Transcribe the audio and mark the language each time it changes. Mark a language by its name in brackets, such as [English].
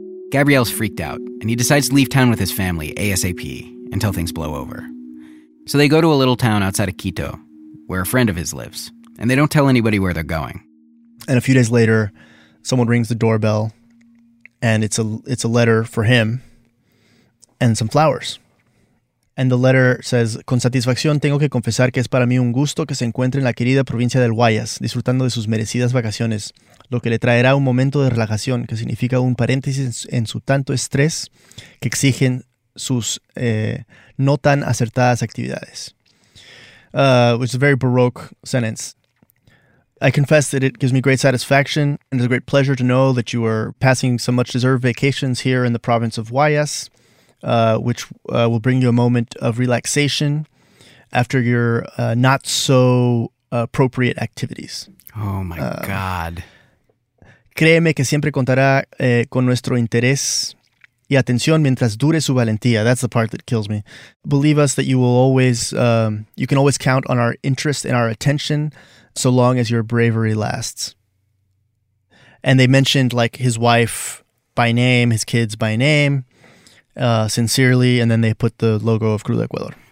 [English] Gabriel's freaked out, and he decides to leave town with his family, ASAP, until things blow over. So they go to a little town outside of Quito, where a friend of his lives, and they don't tell anybody where they're going. And a few days later, someone rings the doorbell, and it's a letter for him and some flowers. And the letter says, [Spanish] con satisfacción tengo que confesar que es para mí un gusto que se encuentre en la querida provincia del Guayas, disfrutando de sus merecidas vacaciones, lo que le traerá un momento de relajación, que significa un paréntesis en su tanto estrés que exigen sus no tan acertadas actividades. [English] Which is a very baroque sentence. I confess that it gives me great satisfaction and it's a great pleasure to know that you are passing some much deserved vacations here in the province of Guayas, which will bring you a moment of relaxation after your not so appropriate activities. Oh my God. [Spanish] Créeme que siempre contará con nuestro interés y atención mientras dure su valentía. [English] That's the part that kills me. Believe us that you will always, you can always count on our interest and our attention so long as your bravery lasts. And they mentioned like his wife by name, his kids by name, sincerely, and then they put the logo of Cruz de Ecuador.